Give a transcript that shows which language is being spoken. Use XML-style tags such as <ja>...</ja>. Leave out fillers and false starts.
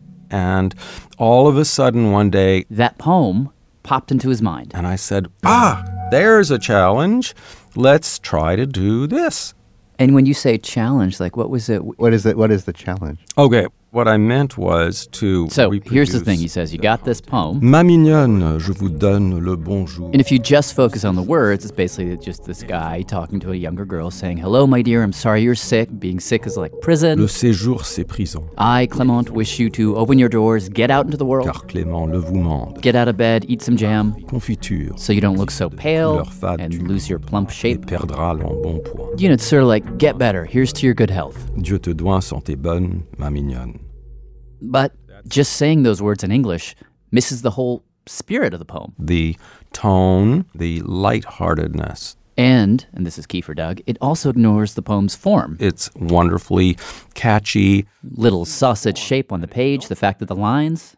<en>And all of a sudden, one day, that poem popped into his mind. And I said, ah, there's a challenge. Let's try to do this. And when you say challenge, like, what was it? What is the challenge? Okay, what I meant was to reproduce. So, here's the thing, he says, you got this poem.</en> <fr>Ma mignonne, je vous donne le bonjour.</fr> <en>And if you just focus on the words, it's basically just this guy talking to a younger girl saying, hello, my dear, I'm sorry you're sick. Being sick is like prison.</en> <fr>Le séjour, c'est prison.</fr> <en>I, Clément, wish you to open your doors, get out into the world.</en> <fr>Car Clément le vous mande.</fr> <en>Get out of bed, eat some jam.</en> <fr>Confiture.</fr> <en>So you don't look so pale fat, and lose your plump shape.</en> <fr>Et perdra l'embonpoint.</fr> <en>You know, it's sort of like, get better, here's to your good health.</en> <fr>Dieu te doit, santé bonne, ma mignonne.</fr> <en>But just saying those words in English misses the whole spirit of the poem. The tone, the lightheartedness, And this is key for Doug, it also ignores the poem's form. It's wonderfully catchy. Little sausage shape on the page, the fact that the lines</en>